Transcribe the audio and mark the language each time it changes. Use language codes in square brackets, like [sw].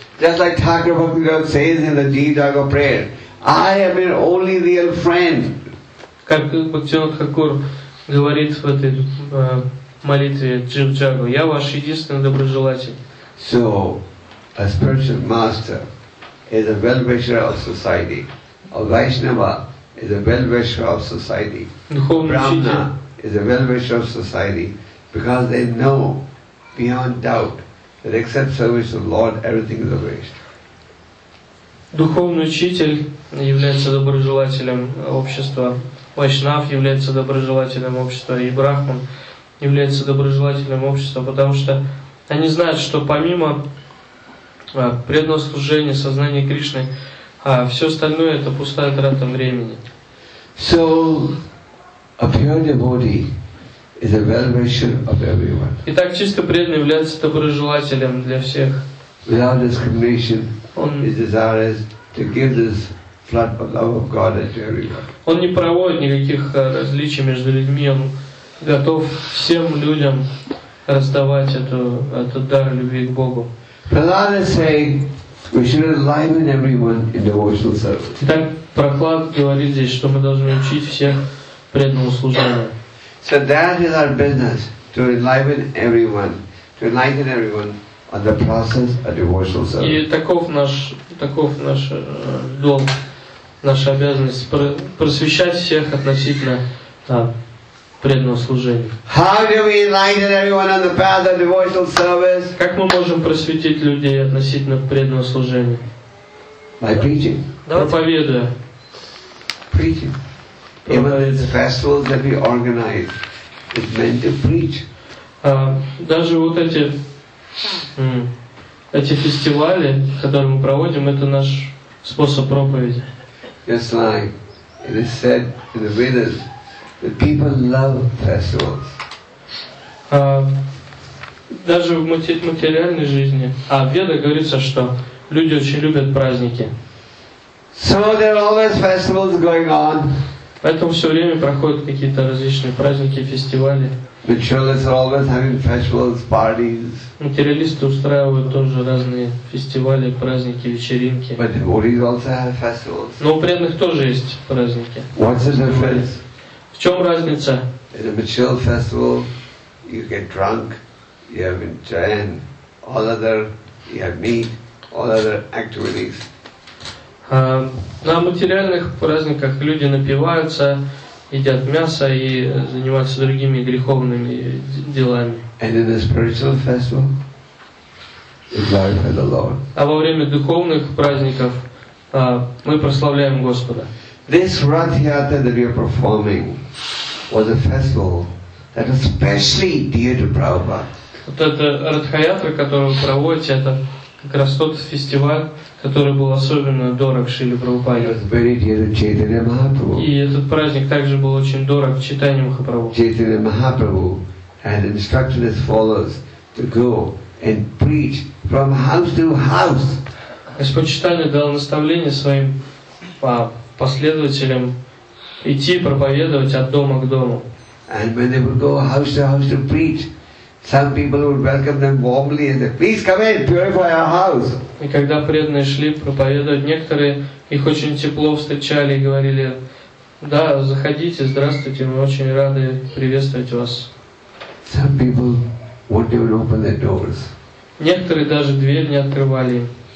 [en] Just like Thakur Bhaktivinoda says in the Jeevdaga prayer. I am your only real friend. [ru] Как Бхактивинода Тхакур говорит в этой молитве Джив-Джагу, я ваш единственный доброжелатель. [en] So, a spiritual master is a well-wisher of society. A Vaishnava is a well-wisher of society. Brahmana is a well-wisher of society because they know beyond doubt that except service of the Lord, everything is a waste. [ru] Духовный учитель является доброжелателем общества, Вайшнав является доброжелателем общества, и Брахман является доброжелателем общества, потому что они знают, что помимо преданного служения, сознания Кришны, все остальное — это пустая трата времени. [en] So, a pure devotee is a well-wisher of everyone. [ru] Итак, чисто преданный является доброжелателем для всех. [en] Without discrimination, his desire is to give this flood of love of God to everyone. [ru] Он не проводит никаких различий между людьми. Он готов всем людям раздавать этот дар любви к Богу. [en] Prahlad is saying we should enliven everyone in devotional service. [ru] Итак, Прохлад говорит здесь, что мы должны учить всех преданному служению. [en] So that is our business, to enliven everyone, to enlighten everyone on the process of devotional service. [ru] И таков наш долг, наша обязанность просвещать всех относительно преданного служения. [en] How do we enlighten everyone on the path of devotional service? [ru] Как мы можем просветить людей относительно преданного служения? [en] By preaching. [ru] Проповедуя. [en] Preaching. Even the festivals that we organize is meant to preach. [ru] Даже вот эти фестивали, которые мы проводим, это наш способ проповеди. [en] Just like it is said in the Vedas, that people love festivals. [ru] даже в материальной жизни. А в Ведах говорится, что люди очень любят праздники. [en] So there are always festivals going on. [ru] Поэтому все время проходят какие-то различные праздники, фестивали. [en] Materialists are always having festivals, parties. [ru] Материалисты устраивают тоже разные фестивали, праздники, вечеринки. [en] But devotees also have festivals. [ru] Но у преданных тоже есть праздники. [en] What's the difference? [ru] В чем разница? [en] In a material festival, you get drunk, you have jain, all other, you have meat, all other activities. [ru] На материальных праздниках люди напиваются, едят мясо и занимаются другими греховными делами. [en] And in the spiritual festival, we glorify the Lord. [ru] А во время духовных праздников мы прославляем Господа. [en] This Rath Yatra that we are performing was a festival that was specially dear to Prabhupada. [ru] Вот это Ратх Ятра, которую вы проводите, это как раз тот фестиваль, который был особенно дорог Шриле Прабхупаде. И этот праздник также был очень дорог Чайтанье Махапрабху. [en] Чайтанье Махапрабху had instructed his followers to go and preach from house to house. [ru] Господь Чайтанья дал наставление своим последователям идти проповедовать от дома к дому. [en] And when they would go house to house to preach, some people would welcome them warmly and say, "Please come in, purify our house." [ru] И когда преданные шли проповедовать, некоторые их очень тепло встречали и говорили: "Да, заходите, здравствуйте, мы очень рады приветствовать вас." [en] Some people wouldn't even open their doors. [ru] Некоторые даже дверь не открывали.